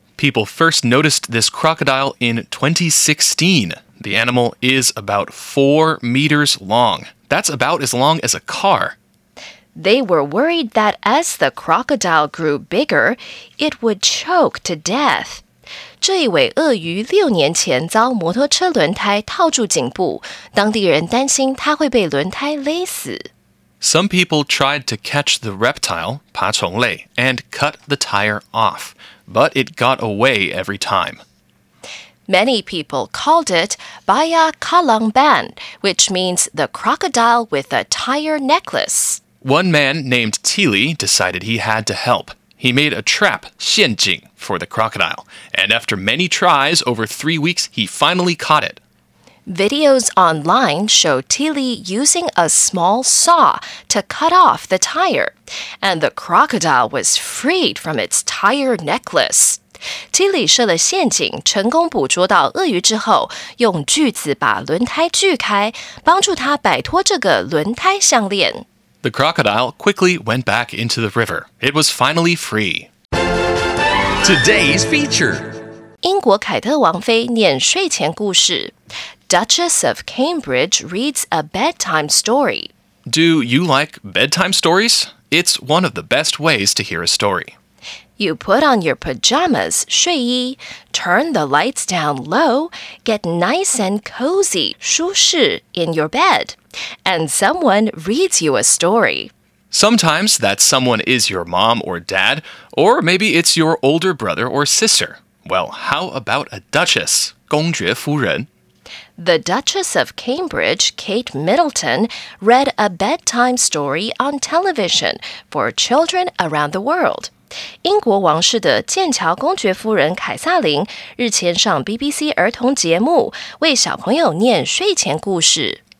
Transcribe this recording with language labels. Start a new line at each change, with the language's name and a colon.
English: People first noticed this crocodile in 2016. The animal is about 4 meters long. That's about as long as a car. They were worried that as the crocodile grew bigger, it would choke to death.
Chinese: 这一尾鳄鱼六年前遭摩托车轮胎套住颈部，当地人担心它会被轮胎勒死。
English: Some people tried to catch the reptile,
Chinese: 爬虫类,
English: and cut the tire off, but it got away every time. Many people called it Baya Kalangban, which means the crocodile with a tire necklace. One man named Tili decided he had to help. He made a trap,
Chinese: 陷阱,
English: for the crocodile, and after many tries over 3 weeks, he finally caught it. Videos online show Tili using a small saw to cut off the tire, and the crocodile was freed from its tire necklace.
Chinese: Tili 设了陷阱，成功捕捉到鳄鱼之后，用锯子把轮胎锯开，帮助它摆脱这个轮胎项链。
English: The crocodile quickly went back into the river. It was finally free. Today's feature.
Chinese: 英国凯特王妃念睡前故事。
English: Duchess of Cambridge reads a bedtime story. Do you like bedtime stories? It's one of the best ways to hear a story. You put on your pajamas,
Chinese: 睡衣,
English: turn the lights down low, get nice and cozy,
Chinese: 舒适,
English: in your bed, and someone reads you a story. Sometimes that someone is your mom or dad, or maybe it's your older brother or sister. Well, how about a duchess,
Chinese: 公爵夫人?
English: The Duchess of Cambridge, Kate Middleton, read a bedtime story on television for children around the world.
Chinese: 英国王室的剑桥公爵夫人凯撒琳日前上 BBC 儿童节目为小朋友念睡前故事。